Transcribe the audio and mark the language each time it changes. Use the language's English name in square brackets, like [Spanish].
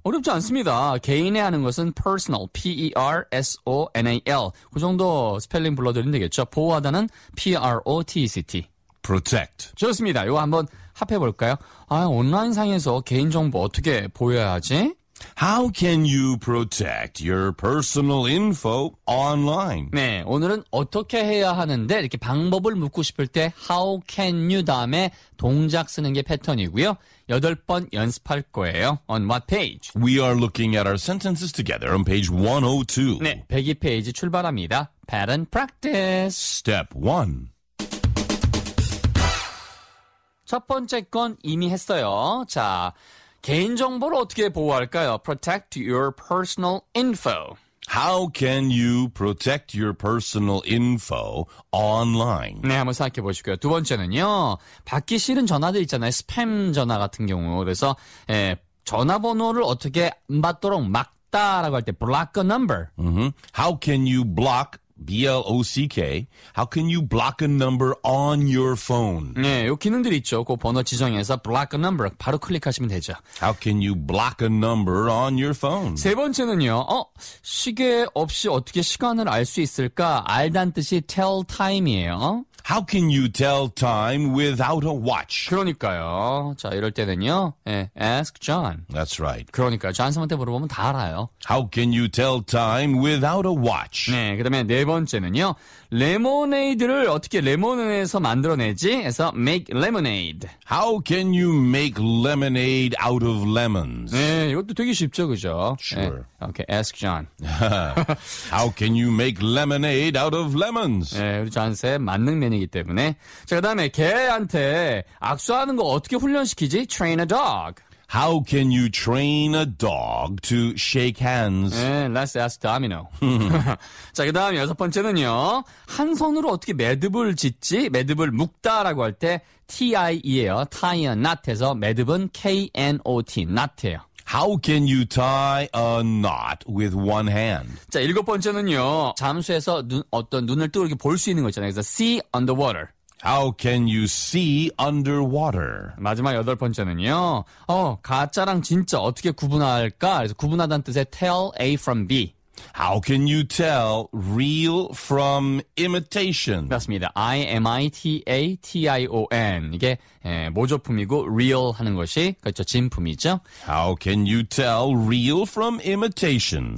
[Korean] 어렵지 않습니다. 개인의 하는 것은 personal. [English] P-E-R-S-O-N-A-L. [Korean] 그 정도 스펠링 불러드리면 되겠죠. 보호하다는 P-R-O-T-E-C-T. [English] Protect. [Korean] 좋습니다. 이거 한번 합해볼까요? 아, 온라인상에서 개인정보 어떻게 보여야 하지? [English] How can you protect your personal info online? [Korean] 네, 오늘은 어떻게 해야 하는데 이렇게 방법을 묻고 싶을 때 How can you 다음에 동작 쓰는 게 패턴이고요. 여덟 번 연습할 거예요. [English] On what page? We are looking at our sentences together on page 102. [Korean] 네, 102페이지 출발합니다. [English] Pattern practice. Step 1. [Korean] 첫 번째 건 이미 했어요. 자, 개인정보를 어떻게 보호할까요? [English] Protect your personal info. How can you protect your personal info online? [Korean] 네, 한번 생각해 보시고요. 두 번째는요. 받기 싫은 전화들 있잖아요. 스팸 전화 같은 경우. 그래서 예, 전화번호를 어떻게 안 받도록 막다라고 할 때 [English] block a number. Mm-hmm. How can you block? B-L-O-C-K. How can you block a number on your phone? [Korean] 네, 요 기능들 있죠. 그 번호 지정해서 [English] block a number. [Korean] 바로 클릭하시면 되죠. [English] How can you block a number on your phone? [Korean] 세 번째는요. 시계 없이 어떻게 시간을 알 수 있을까? 알단 뜻이 [English] tell time [Korean] 이에요. [English] How can you tell time without a watch? [Korean] 그러니까요. 자, 이럴 때는요. 네, [English] ask John. That's right. [Korean] 그러니까요. 존 선생님한테 물어보면 다 알아요. [English] How can you tell time without a watch? [Korean] 네, 그 다음에 네 번째는요. 레모네이드를 어떻게 레몬에서 만들어내지? [English] 해서 make lemonade. How can you make lemonade out of lemons? [Korean] 네, 이것도 되게 쉽죠, 그죠? [English] Sure. 네, okay, ask John. How can you make lemonade out of lemons? [Korean] 네, 우리 존 선생님 만능 맨이기 때문에. 자, 그 다음에 개한테 악수하는 거 어떻게 훈련시키지? [English] Train a dog. How can you train a dog to shake hands? 네, let's ask Domino. [Korean] 자, 그 다음에 여섯 번째는요. 한 손으로 어떻게 매듭을 짓지? 매듭을 묶다라고 할 때 T-I-E예요. [English] Tie a knot [Korean] 해서 매듭은 K-N-O-T, knot예요. [English] How can you tie a knot with one hand? [Korean] 자, 일곱 번째는요. 잠수해서 눈을 뜨고 이렇게 볼 수 있는 거 있잖아요. [English] 그래서 see underwater. How can you see underwater? [Korean] 마지막 여덟 번째는요. 가짜랑 진짜 어떻게 구분할까? 그래서 구분하다는 뜻의 [English] tell A from B. How can you tell real from imitation? 맞습니다. I-M-I-T-A-T-I-O-N. [Korean] 이게 모조품이고 real 하는 것이 그렇죠. 진품이죠. [English] How can you tell real from imitation?